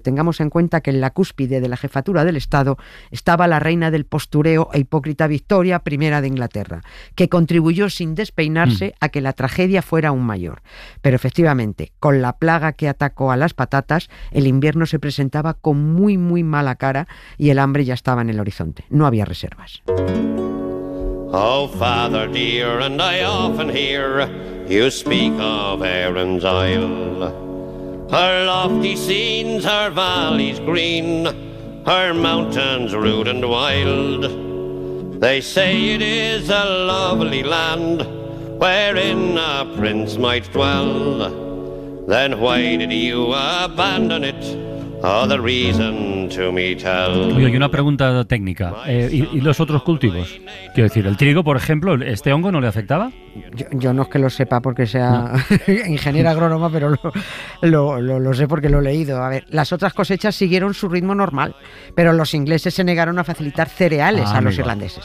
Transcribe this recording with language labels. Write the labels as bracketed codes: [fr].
[es] Tengamos en cuenta que en la cúspide de la jefatura del Estado estaba la reina del postureo e hipócrita Victoria I de Inglaterra, que contribuyó sin despeinarse a que la tragedia fuera aún mayor. Pero efectivamente, con la plaga que atacó a las patatas, el invierno se presentaba con muy, muy mala cara y el hambre ya estaba en el horizonte. No había reservas. [en] Oh, father dear, and I often hear you speak of Erin's Isle. Her lofty scenes, her valleys green, her mountains rude and wild. They say it is a lovely land wherein a prince might dwell. Then why did you abandon it? Oh, the reason to me tell. [es] Oye, y una pregunta técnica. ¿Y los otros cultivos? Quiero decir, el trigo, por ejemplo, ¿este hongo no le afectaba? Yo no es que lo sepa porque sea ingeniero agrónoma, pero lo sé porque lo he leído. A ver, las otras cosechas siguieron su ritmo normal, pero los ingleses se negaron a facilitar cereales a los irlandeses.